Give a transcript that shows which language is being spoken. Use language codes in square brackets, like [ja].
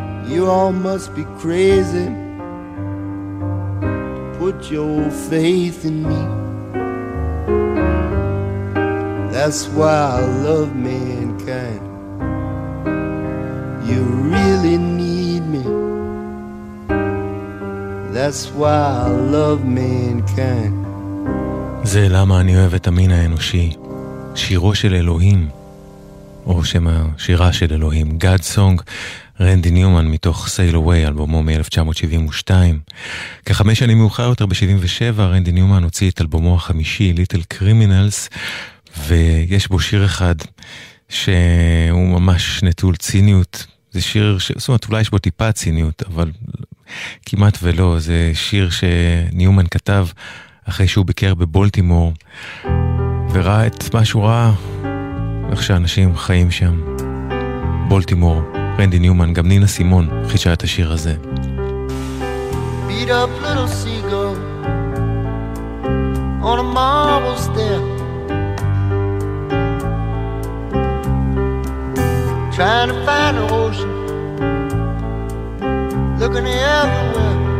[en] You all must be crazy to put your faith in me. That's why I love mankind. You really need me. That's why I love mankind. [he] זה למה אני אוהב את המין האנושי. שירו של אלוהים, או שמה שירה של אלוהים, God Song, רנדי ניומן מתוך Sail Away, אלבומו מ-1972. כחמש שנים מאוחר יותר, ב-77, רנדי ניומן הוציא את אלבומו החמישי, Little Criminals, ויש בו שיר אחד שהוא ממש נטול ציניות. זה שיר, זאת אומרת, אולי יש בו טיפה ציניות, אבל כמעט ולא. זה שיר שניומן כתב אחרי שהוא ביקר בבולטימור וראה את מה שהוא ראה, איך שאנשים חיים שם. בולטימור, רנדי ניומן. גם נינה סימון חישה את השיר הזה. [en] Beat up little seagull on a marble step, trying to find an ocean, looking everywhere.